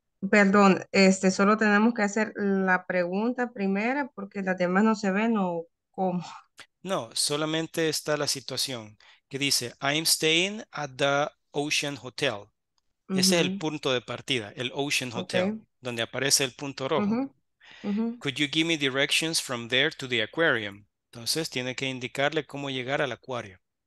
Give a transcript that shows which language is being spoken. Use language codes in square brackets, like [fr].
[es] Perdón, solo tenemos que hacer la pregunta primera porque las demás no se ven o cómo. No, solamente está la situación que dice, [en] I'm staying at the Ocean Hotel. [es] Uh-huh. Ese es el punto de partida, el Ocean Hotel, okay. Donde aparece el punto rojo. Uh-huh. Uh-huh. [en] Could you give me directions from there to the aquarium? [es] Entonces tiene que indicarle cómo llegar al acuario.